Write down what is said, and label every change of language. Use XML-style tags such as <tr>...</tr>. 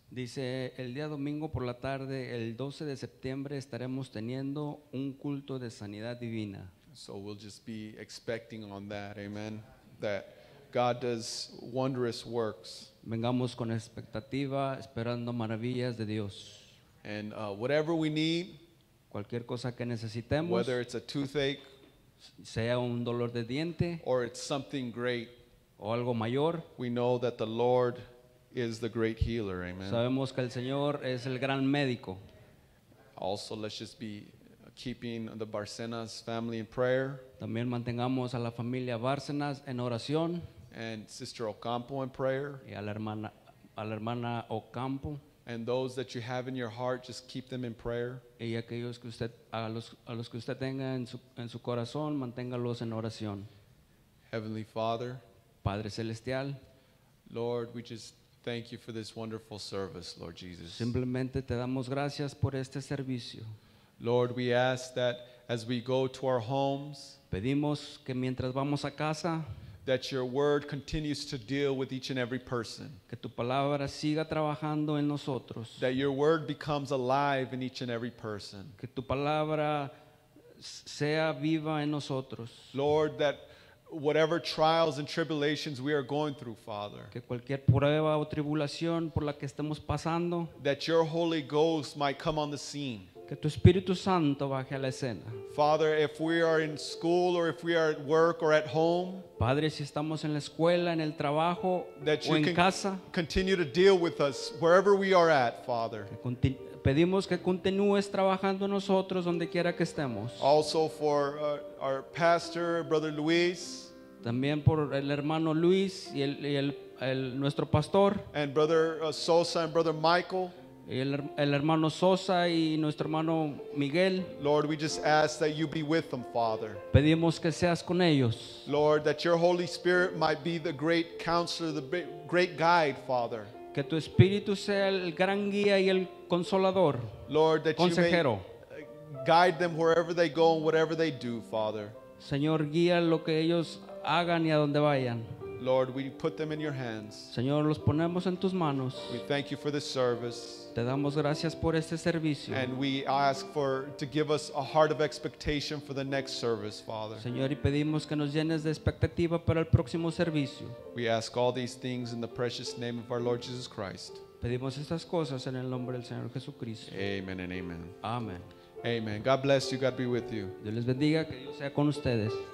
<es>Dice el día domingo por la tarde, el 12 de septiembre, estaremos teniendo un culto de sanidad divina.</es> <en>So we'll just be expecting on that, amen, that God does wondrous works.</en> <es>Vengamos con expectativa, esperando maravillas de Dios.</es> <en>And whatever we need,</en> <es>cualquier cosa que necesitemos,</es> <en>whether it's a toothache,</en> <es>sea un dolor de diente,</es> <en>or it's something great,</en> <es>o algo mayor,</es> <en>we know that the Lord is the great healer. Amen.</en> <es>Sabemos que el Señor es el gran médico.</es> <en>Also, let's just be keeping the Barcenas family in prayer.</en> <es>También mantengamos a la familia Barcenas en oración.</es> <en>And Sister Ocampo in prayer.</en> <es>Y a la hermana Ocampo.</es> <en>And those that you have in your heart, just keep them in prayer.</en> <es>Y aquellos que usted, a los que usted tenga en su corazón, manténgalos en oración.</es> <en>Heavenly Father,</en> <es>Padre Celestial,</es> <en>Lord, we just thank you for this wonderful service, Lord Jesus.</en> <es>Simplemente te damos gracias por este servicio.</es> <en>Lord, we ask that as we go to our homes,</en> <es>pedimos que mientras vamos a casa,</es> <en>that your word continues to deal with each and every person.</en> <es>Que tu palabra siga trabajando en nosotros.</es> <en>That your word becomes alive in each and every person.</en> <es>Que tu palabra sea viva en nosotros.</es> <en>Lord, that whatever trials and tribulations we are going through, Father,</en> <es>que cualquier prueba o tribulación por la que estemos pasando,</es> <en>that your Holy Ghost might come on the scene.</en> <es>Que tu Espíritu Santo baje a la escena.</es> <en>Father, if we are in school or if we are at work or at home,</en> <es>Padre, si estamos en la escuela, en el trabajo o en casa,</es> <en>continue to deal with us wherever we are at, Father.</en> <es>Pedimos que continúes trabajando nosotros donde quiera que estemos.</es> <en>Also for our pastor, Brother Luis.</en> <es>También por el hermano Luis y el nuestro pastor.</es> <en>And Brother Sosa and Brother Michael.</en> <es>El hermano Sosa y nuestro hermano Miguel.</es> <en>Lord, we just ask that you be with them, Father.</en> <es>Pedimos que seas con ellos.</es> <en>Lord, that your Holy Spirit might be the great counselor, the great guide, Father.</en> <es>Que tu espíritu sea el gran guía y el consolador.</es> <en>Lord, that</en> <es>consejero.</es> <en>You may guide them wherever they go and whatever they do, Father.</en> <es>Señor, guía lo que ellos hagan y a donde vayan.</es> <en>Lord, we put them in your hands.</en> <es>Señor, los ponemos en tus manos.</es> <en>We thank you for this service.</en> <es>Te damos gracias por este servicio.</es> <en>And we ask for to give us a heart of expectation for the next service, Father.</en> <es>Señor, y pedimos que nos llenes de expectativa para el próximo servicio.</es> <en>We ask all these things in the precious name of our Lord Jesus Christ.</en> <es>Pedimos estas cosas en el nombre del Señor Jesucristo.</es> <en>Amen and amen.</en> <es>Amen.</es> <en>Amen. God bless you. God be with you.</en> <es>Dios les bendiga, que Dios sea con ustedes.</es>